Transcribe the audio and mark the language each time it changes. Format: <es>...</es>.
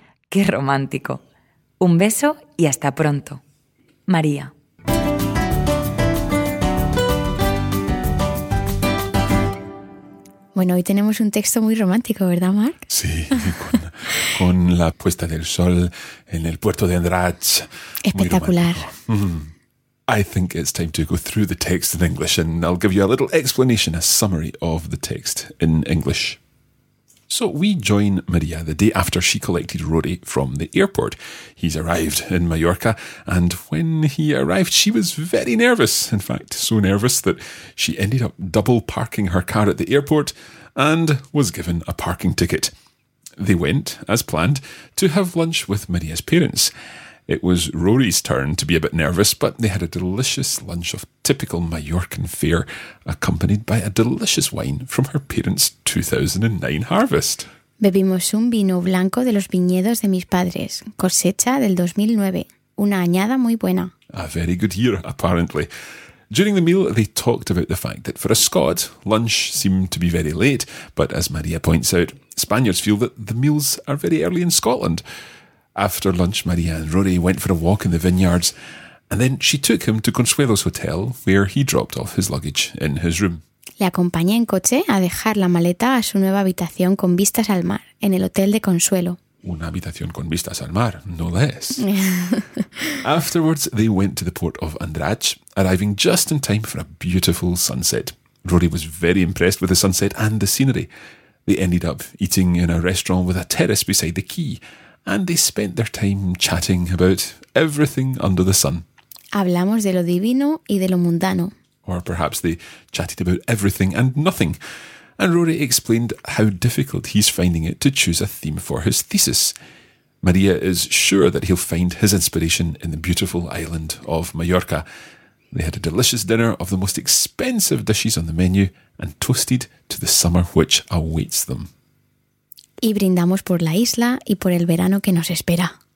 <es>¡Qué romántico! Un beso y hasta pronto. María. Bueno, hoy tenemos un texto muy romántico, ¿verdad, Marc? Sí, con la puesta del sol en el puerto de Andratx. Espectacular.</es> <en>I think it's time to go through the text in English, and I'll give you a little explanation, a summary of the text in English. So we join Maria the day after she collected Rory from the airport. He's arrived in Mallorca, and when he arrived, she was very nervous. In fact, so nervous that she ended up double parking her car at the airport and was given a parking ticket. They went, as planned, to have lunch with Maria's parents. It was Rory's turn to be a bit nervous, but they had a delicious lunch of typical Mallorcan fare, accompanied by a delicious wine from her parents' 2009 harvest.</en> <es>Bebimos un vino blanco de los viñedos de mis padres, cosecha del 2009, una añada muy buena.</es> <en>A very good year, apparently. During the meal, they talked about the fact that for a Scot, lunch seemed to be very late, but as Maria points out, Spaniards feel that the meals are very early in Scotland. After lunch, Maria and Rory went for a walk in the vineyards, and then she took him to Consuelo's hotel, where he dropped off his luggage in his room.</en> <es>Le acompañé en coche a dejar la maleta a su nueva habitación con vistas al mar, en el hotel de Consuelo. Una habitación con vistas al mar,</es> <en>no less. Afterwards, they went to the port of Andratx, arriving just in time for a beautiful sunset. Rory was very impressed with the sunset and the scenery. They ended up eating in a restaurant with a terrace beside the quay, and they spent their time chatting about everything under the sun.</en> <es>Hablamos de lo divino y de lo mundano.</es> <en>Or perhaps they chatted about everything and nothing. And Rory explained how difficult he's finding it to choose a theme for his thesis. Maria is sure that he'll find his inspiration in the beautiful island of Mallorca. They had a delicious dinner of the most expensive dishes on the menu and toasted to the summer which awaits them.</en> <es>Y brindamos por la isla y por el verano que nos espera.</es>